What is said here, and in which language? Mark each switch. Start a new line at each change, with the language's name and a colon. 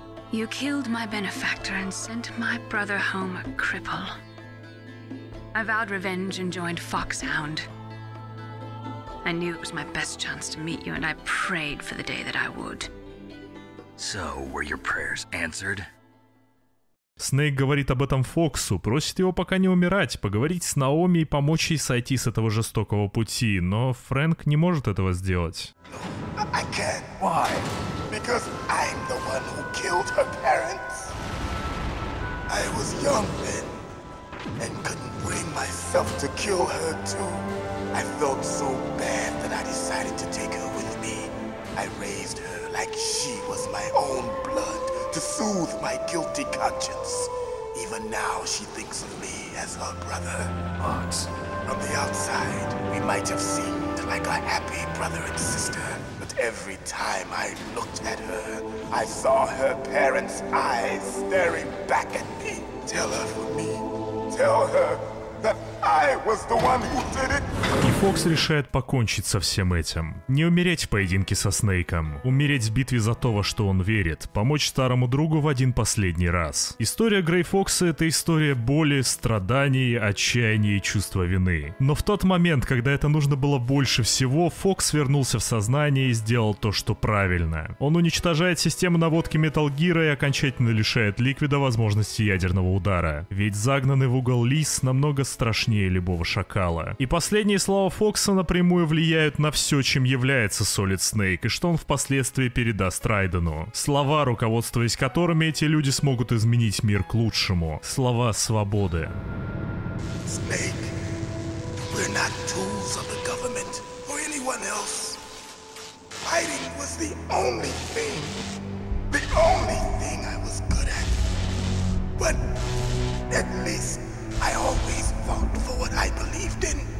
English: You killed my benefactor and sent my brother home a cripple. I vowed revenge and joined Foxhound. I knew it was my best chance to meet you, and I prayed for the day that I would. So, were your prayers answered?
Russian: Снейк говорит об этом Фоксу, просит его пока не умирать, поговорить с Наоми и помочь ей сойти с этого жестокого пути, но Фрэнк не может этого сделать.
English: I can't. Why? Because I'm the one who killed her parents. I was young then, and couldn't bring myself to kill her too. I felt so bad that I decided to take her with me. I raised her like she was my own blood to soothe my guilty conscience. Even now she thinks of me as her brother. But from the outside, we might have seemed like a happy brother and sister. Every time I looked at her, I saw her parents' eyes staring back at me. Tell her for me. Tell her that I was the one who did it.
Russian: И Фокс решает покончить со всем этим. Не умереть в поединке со Снейком. Умереть в битве за то, во что он верит. Помочь старому другу в один последний раз. История Грей Фокса — это история боли, страданий, отчаяния и чувства вины. Но в тот момент, когда это нужно было больше всего, Фокс вернулся в сознание и сделал то, что правильно. Он уничтожает систему наводки Metal Gear и окончательно лишает Ликвида возможности ядерного удара. Ведь загнанный в угол лис намного страшнее любого шакала. И последний слова Фокса напрямую влияют на все, чем является Solid Snake, и что он впоследствии передаст Райдену. Слова, руководствуясь которыми эти люди смогут изменить мир к лучшему. Слова свободы.
English: Snake, we're not tools of the government or anyone else. Fighting was the only thing I was good at. But at least I always fought for what I believed in.